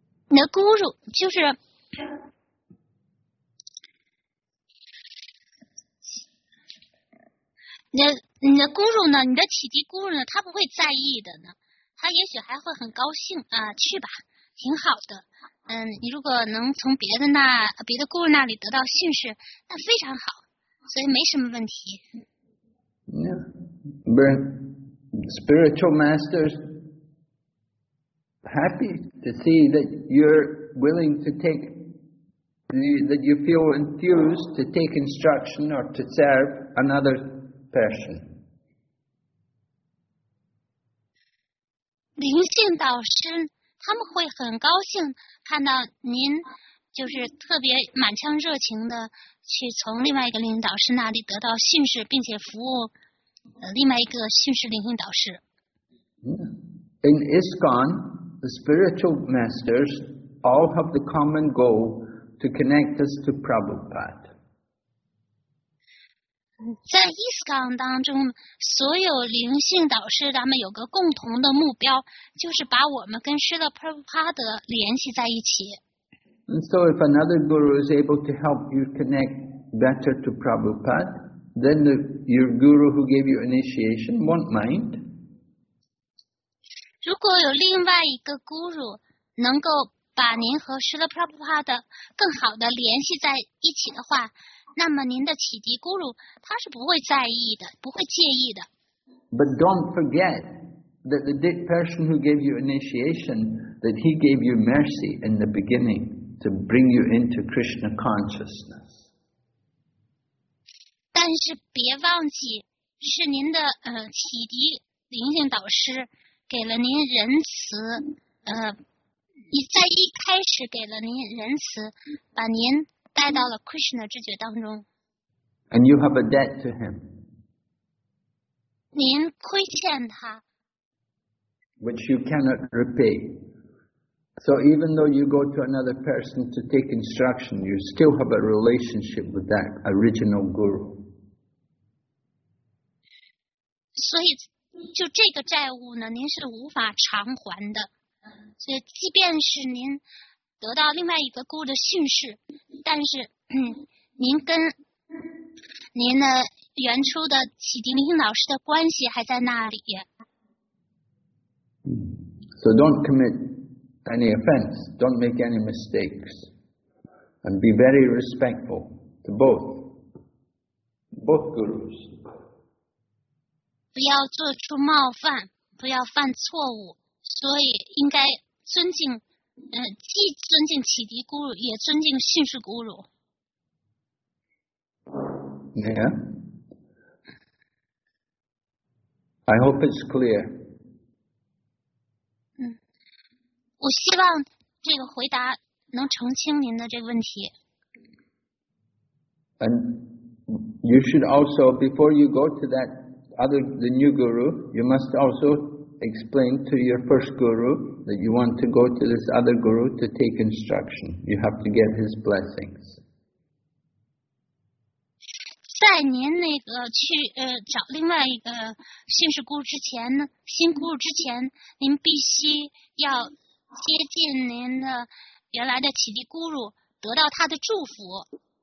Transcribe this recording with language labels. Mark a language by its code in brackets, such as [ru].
[zh] 你的咕噜就是，你的咕噜呢，你的启迪咕噜呢，他不会在意的呢，他也许还会很高兴啊，去吧，挺好的。你如果能从别的咕噜那里得到训示，那非常好，所以没什么问题。 [en] Yeah, but spiritual masters happy to see that you're willing to take, that you feel enthused to take instruction or to serve another person. [zh] 灵性导师他们会很高兴看到您就是特别满腔热情的去从另外一个灵性导师那里得到训示，并且服务另外一个训示灵性导师。 [en] In ISKCON, the spiritual masters all have the common goal to connect us to Prabhupada. [zh] 在 ISKCON 当中，所有灵性导师他们有个共同的目标，就是把我们跟师的 Prabhupada 联系在一起。 [en] And so if another guru is able to help you connect better to Prabhupada, then your guru who gave you initiation won't mind. [zh] 如果有另外一个 guru 能够把您和 Srila Prabhupada 更好的联系在一起的话，那么您的启迪 guru 他是不会在意的，不会介意的。 [en] But don't forget that the person who gave you initiation, that he gave you mercy in the beginning. To bring you into Krishna consciousness. [zh] 但是别忘记，是您的启迪灵性导师给了您仁慈，你在一开始给了您仁慈，把您带到了 Krishna 知觉当中。 [en] And you have a debt to him. [zh] 您亏欠他。 [en] Which you cannot repay. So even though you go to another person to take instruction, you still have a relationship with that original guru. [zh] 所以就这个债务呢，您是无法偿还的。所以即便是您得到另外一个guru的训示，但是您跟您的原初的启迪灵性导师的关系还在那里。 [en] So don't commit. Any offense, don't make any mistakes, and be very respectful to both gurus. [zh] 不要做出冒犯，不要犯错误，所以应该尊敬，既尊敬启迪咕噜，也尊敬训示咕噜。 [en] Yeah. I hope it's clear. [zh] 我希望这个回答能澄清您的这个问题。 [en] And you should also, before you go to that other, the new guru, you must also explain to your first guru that you want to go to this other guru to take instruction. You have to get his blessings. [zh] 在您那个去找另外一个新师姑之前呢，新姑之前，您必须要接近您的原来的启迪姑姑，得到他的祝福。